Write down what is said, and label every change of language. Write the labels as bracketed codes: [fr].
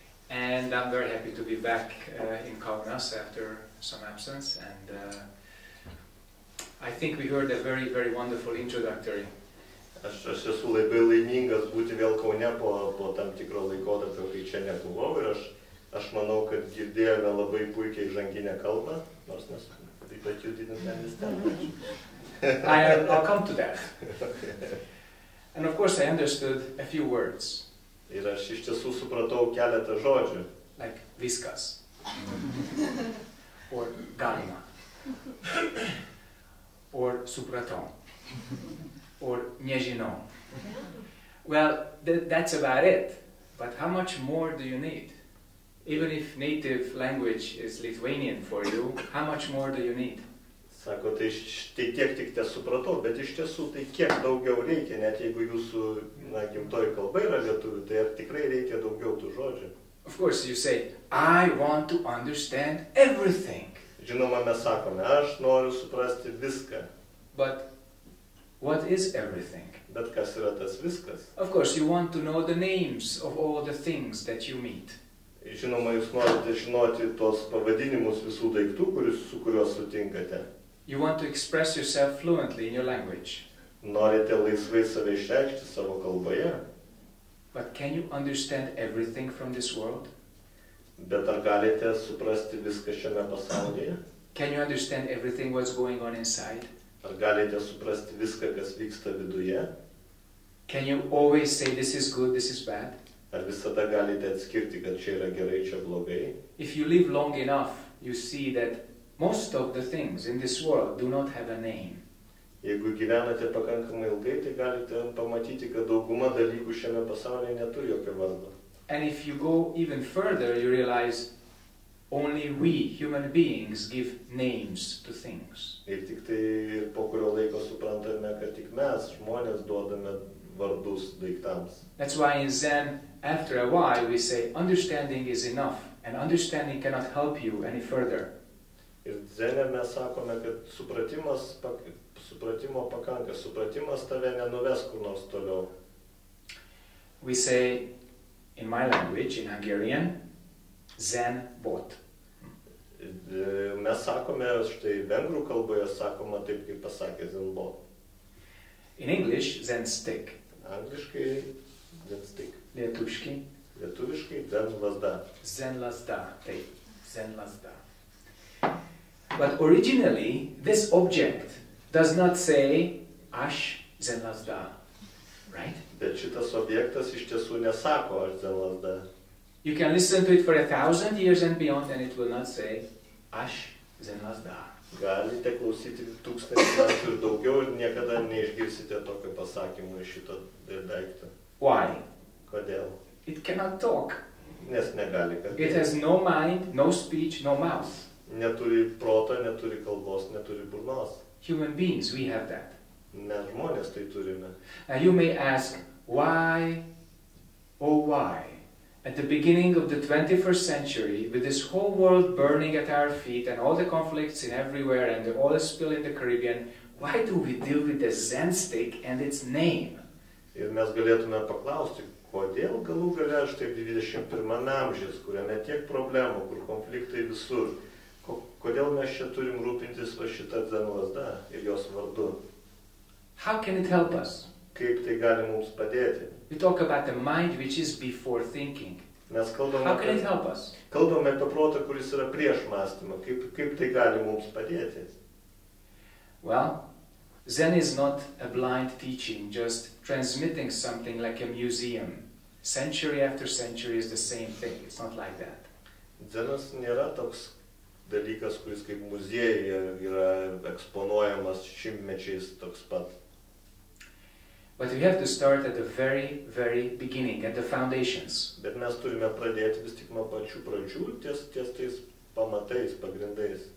[en] And I'm very happy to be back in Kaunas after some absence and I think we heard a very, very wonderful introductory. [lt] Aš esu labai laimingas būti vėl Kaune po tam tikro laikotarpio, kai čia nebuvau, ir aš manau, kad girdėjome labai puikiai žanginę kalbą, nors mes taip pat jų didinam nesistengiam. [en] I'll come to that. And of course I understood a few words. [lt] Ir aš iš tiesų supratau keletą žodžių. [en] Like [lt] viskas. [en] Or [lt] galima. [en] Or [lt] supratom, [en] or [lt] nežinom. [en] Well, that's about it. But how much more do you need? Even if native language is Lithuanian for you, how much more do you need? [lt] Sako, tai tiek tik te supratau, bet iš tiesų tai kiek daugiau reikia, net jeigu jūsų gimtoji kalba yra lietuvių, tai ar tikrai reikia daugiau tų žodžių? [en] Of course, you say, I want to understand everything. [lt] Žinoma, mes sakome, aš noriu suprasti viską. [en] But what is everything? [lt] Bet kas yra tas viskas? [en] Of course, you want to know the names of all the things that you meet. [lt] Žinoma, jūs norite žinoti tos pavadinimus visų daiktų, su kuriuos sutinkate. [en] You want to express yourself fluently in your language. [lt] Norite laisvai save išreikšti savo kalboje? [en] But can you understand everything from this world? [lt] Bet ar galite suprasti viską šiame pasaulyje? [en] Can you understand everything what's going on inside? [lt] Ar galite suprasti viską, kas vyksta viduje? [en] Can you always say this is good, this is bad? [lt] Ar visada galite atskirti, kad čia yra gerai, čia blogai? [en] If you live long enough, you see that most of the things in this world do not have a name. [lt] Jeigu gyvenate pakankamai ilgai, tai galite pamatyti, kad dauguma dalykų šiame pasaulyje neturi jokio vardo. [en] And if you go even further, you realize only we human beings give names to things. [lt] Ir tik tai po kurio laiko suprantame, kad tik mes žmonės duodame vardus daiktams. [en] That's why in Zen, after a while, we say understanding is enough, and understanding cannot help you any further. [lt] Ir Zen'e mes sakome, kad supratimo pakanka, supratimas tave nenuves kur nors toliau. [en] We say, in my language, in Hungarian, Zen bot. [lt] Mes sakome, štai vengrų kalboje sakoma taip, kaip pasakė Zen bot. [en] In English, Zen stick. [lt] Angliškai, Zen stick. Lietuviškai. Lietuviškai, Zen lazda. Zen lazda, taip, Zen lazda. [en] But originally, this object does not say, [lt] aš Zen lazda, [en] right? [lt] Bet šitas objektas iš tiesų nesako, aš Zen lazda. [en] You can listen to it for 1,000 years and beyond, and it will not say, [lt] aš Zen lazda. Galite klausyti 1,000 metų ir daugiau, ir niekada neišgirsite tokio pasakymo iš šito daikto. [en] Why? [lt] Kodėl? [en] It cannot talk. [lt] Nes negali kalbėti. [en] It has no mind, no speech, no mouth. [lt] Neturi proto, neturi kalbos, neturi burnos. [en] Human beings, we have that. [lt] Mes žmonės tai turime. [en] And you may ask, why, oh why, at the beginning of the 21st century, with this whole world burning at our feet and all the conflicts in everywhere and the oil spill in the Caribbean, why do we deal with the Zen stick and its name? [lt] Ir mes galėtume paklausti, kodėl galų gale štai 21 amžius, kuriame tiek problemų, kur konfliktai visur, kodėl mes čia turim rūpintis va šitą Zen lazdą ir jos vardu? [en] How can it help us? [lt] Kaip tai gali mums padėti? [en] We talk about the mind which is before thinking. [lt] Mes kalbame, [en] how can it help us? [lt] Kalbame apie protą, kuris yra prieš mąstymą. Kaip tai gali mums padėti? [en] Well, Zen is not a blind teaching, just transmitting something like a museum. Century after century is the same thing. It's not like that. [lt] Zenas nėra toks dalykas, kuris kaip muziejuje yra eksponuojamas šimtmečiais toks pat. [en] But we have to start at the very, very beginning, at the foundations. [lt] Bet mes turime pradėti vis tik nuo pačių pradžių, ties tais pamatais, pagrindais.